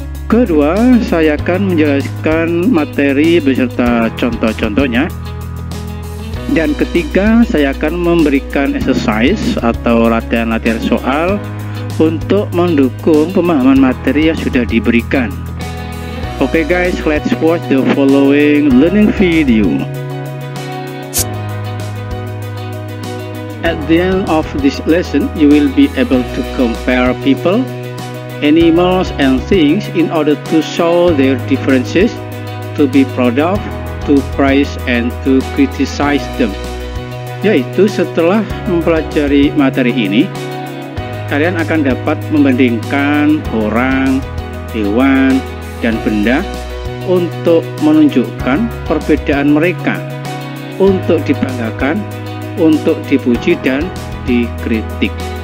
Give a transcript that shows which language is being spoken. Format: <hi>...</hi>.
<id>Kedua, saya akan menjelaskan materi beserta contoh-contohnya. Dan ketiga, saya akan memberikan exercise atau latihan-latihan soal untuk mendukung pemahaman materi yang sudah diberikan.</id> <en>Okay guys, let's watch the following learning video. At the end of this lesson, you will be able to compare people, animals, and things in order to show their differences, to be proud of, to praise, and to criticize them.</en> <id>Yaitu setelah mempelajari materi ini, kalian akan dapat membandingkan orang, hewan, dan benda untuk menunjukkan perbedaan mereka, untuk dibanggakan, untuk dipuji, dan dikritik.</id>